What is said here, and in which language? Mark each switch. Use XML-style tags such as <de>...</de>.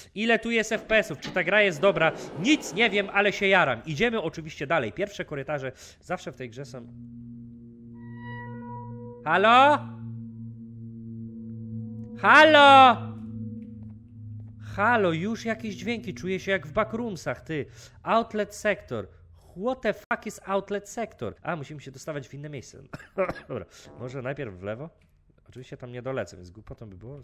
<pl>Ile tu jest FPS-ów, czy ta gra jest dobra? Nic nie wiem, ale się jaram. Idziemy oczywiście dalej. Pierwsze korytarze zawsze w tej grze są... halo? Halo? Halo, już jakieś dźwięki. Czuję się jak w backroomsach, ty.</pl> <en>Outlet sector. What the fuck is outlet sector?</en> <pl>A, musimy się dostawać w inne miejsce. Dobra, może najpierw w lewo? Oczywiście tam nie dolecę, więc głupotą by było.</pl>